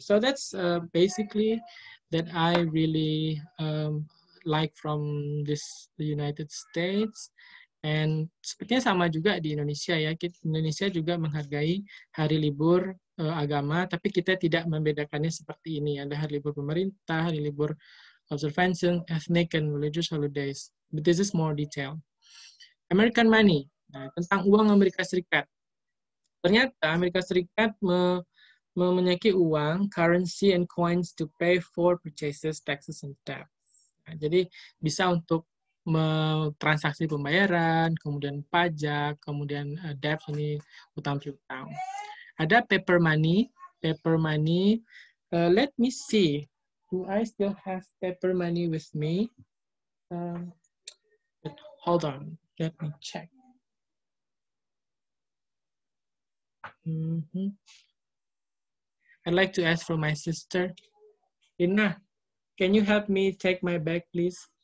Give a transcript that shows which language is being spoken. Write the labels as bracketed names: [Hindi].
[English] So that's basically that I really like from this the United States. [Indonesian] And sepertinya sama juga di Indonesia ya. Indonesia juga menghargai hari libur agama, tapi kita tidak membedakannya seperti ini. Ada hari libur pemerintah, hari libur observation, [English] ethnic and religious holidays. But this is more detail. American money, [Indonesian] nah, tentang uang Amerika Serikat. Ternyata Amerika Serikat memiliki uang, [English] currency and coins to pay for purchases, taxes and debts. [Indonesian] Nah, jadi bisa untuk transaksi pembayaran, kemudian pajak, kemudian debt ini utang piutang. [English] Ada paper money. Let me see. Do I still have paper money with me? Hold on. Let me check. I'd like to ask for my sister. Inna, can you help me take my bag, please?